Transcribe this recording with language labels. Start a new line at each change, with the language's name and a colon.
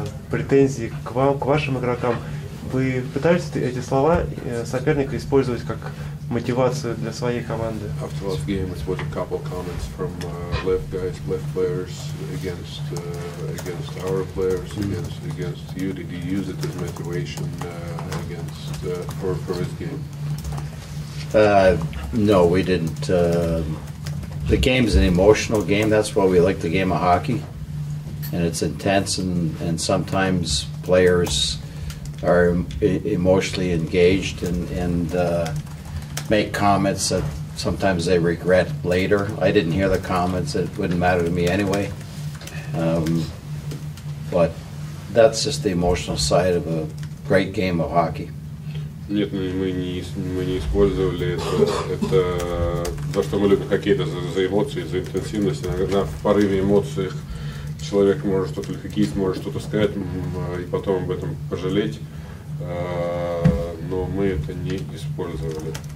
Russian: Претензии к вам, к вашим игрокам. Вы пытались эти слова соперника использовать как мотивацию для своей команды?
English: After last game, it was a couple comments from left guys, left players against against our players, against you. Did you use it as motivation against for this game? No, we didn't. The game is an emotional game. That's why we like the game of hockey, and it's intense. And sometimes players are emotionally engaged and make comments that sometimes they regret later. I didn't hear the comments, it wouldn't matter to me anyway. But that's just the emotional side of a great game of hockey.
Russian: Нет, мы не использовали это за что мы любим хоккей, это за эмоции, за интенсивность. Иногда в порыве эмоций человек может что-то, хоккеист может что-то сказать и потом об этом пожалеть. Но мы это не использовали.